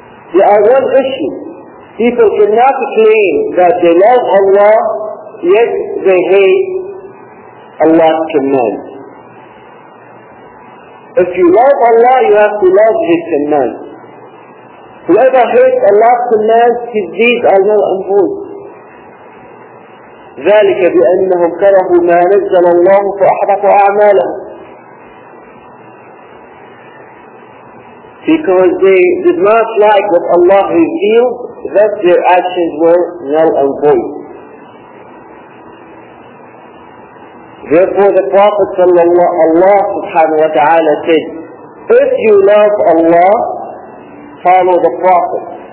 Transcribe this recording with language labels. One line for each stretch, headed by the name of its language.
English: There are one issue. People cannot claim that they love Allah, yet they hate Allah's commands. If you love Allah, you have to love His commands. Whoever hates Allah's commands, his deeds are null and void.
Arabic: ذلك بأنهم كرهوا ما نزل الله فأحبط أعمالهم.
English: Because they did not like what Allah revealed, that their actions were null and void. Therefore the Prophet صلى الله عليه وسلم said, if you love Allah, follow the Prophet.